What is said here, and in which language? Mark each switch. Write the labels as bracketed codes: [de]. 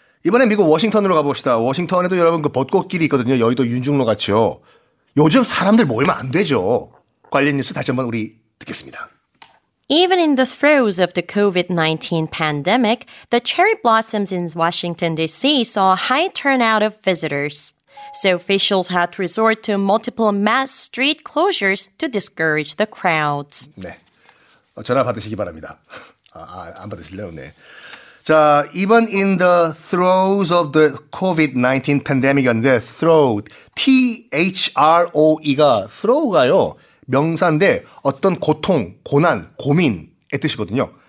[ko] 이번에 미국 워싱턴으로 가봅시다. 워싱턴에도 여러분 그 벚꽃길이 있거든요. 여의도 윤중로 같죠. 요즘 사람들 모이면 안 되죠. 관련 뉴스 다시 한번 우리 듣겠습니다. [en] Even in the throes of the COVID-19 pandemic, the cherry blossoms in Washington, D.C. saw a high turnout of visitors. So officials had to resort to multiple mass street closures to discourage the crowds. [ko] 네. 전화 받으시기 바랍니다. 안 받으실래요? 네. 자, [en] even in the throes of the COVID-19 pandemic [ko] 였는데, throe가 throe가요. 명사인데 어떤 고통, 고난, 고민의 뜻이거든요.